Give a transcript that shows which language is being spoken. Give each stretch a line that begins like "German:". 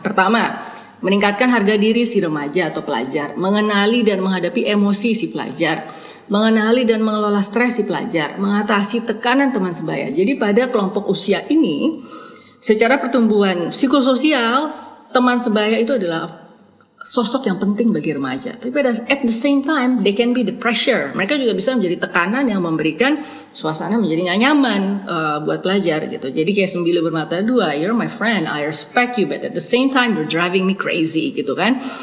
Indonesian: Pertama, meningkatkan harga diri si remaja atau pelajar, mengenali dan menghadapi emosi si pelajar, mengenali dan mengelola stres si pelajar, mengatasi tekanan teman sebaya. Jadi pada kelompok usia ini, secara pertumbuhan psikososial, teman sebaya itu adalah sosok yang penting bagi remaja.
English: Tapi at the same time, they can be the pressure.
Indonesian: Mereka juga bisa menjadi tekanan yang memberikan suasana menjadi gak nyaman buat pelajar gitu. Jadi kayak sembilu bermata dua,
English: you're my friend, I respect you, but at the same time you're driving me crazy
Indonesian: gitu kan.